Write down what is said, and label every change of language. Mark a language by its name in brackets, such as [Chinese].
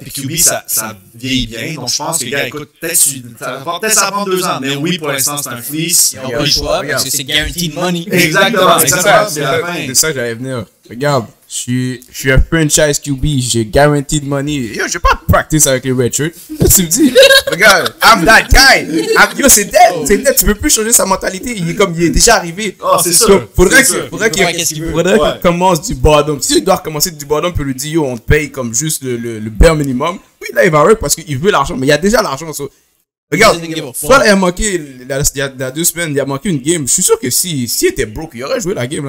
[French] Puis QB, ça vieillit bien. Donc, je pense que, gars, écoute, peut-être ça prend 2 ans. Mais oui, pour l'instant, c'est un fleece. Ils n'ont pas le choix parce que c'est guaranteed money. Exactement, c'est ça. C'est la fin. C'est ça que j'allais venir. Regarde. Je suis un franchise QB, j'ai guaranteed money. Yo, je vais pas practice avec les redshirts. Tu me dis, regarde, [English] I'm that guy. [French] Yo, c'est dead. Tu peux plus changer sa mentalité. Il est déjà arrivé. Oh, c'est sûr. Faudrait qu'il commence du bottom. Si il doit recommencer du bottom, puis lui dire, yo, on te paye comme juste le bare minimum. Oui, là, il va work parce qu'il veut l'argent, mais il y a déjà l'argent. So. Regarde, soit il a manqué il y a 2 semaines, il a manqué une game. Je suis sûr que si était broke, il aurait joué la game.